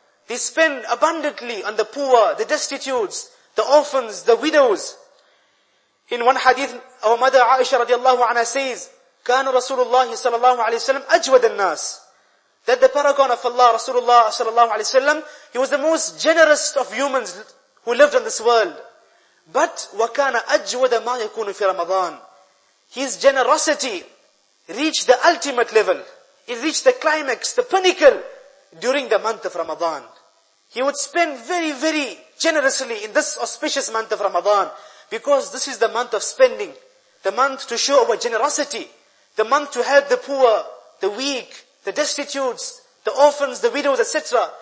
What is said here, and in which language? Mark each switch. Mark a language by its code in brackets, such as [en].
[en] They spend abundantly on the poor, the destitutes, the orphans, the widows. In one hadith, our mother Aisha radiallahu anha says, [ar] كان رسول الله صلى الله عليه وسلم أجود الناس. [en] that the paragon of Allah, Rasulullah sallallahu alayhi wa sallam, he was the most generous of humans who lived on this world. But [ar] وَكَانَ أَجْوَدَ مَا يَكُونُ فِي رَمَضَانِ. [en] His generosity reached the ultimate level. It reached the climax, the pinnacle during the month of Ramadan. He would spend very, very generously in this auspicious month of Ramadan, because this is the month of spending, the month to show our generosity, the month to help the poor, the weak, the destitutes, the orphans, the widows, etc.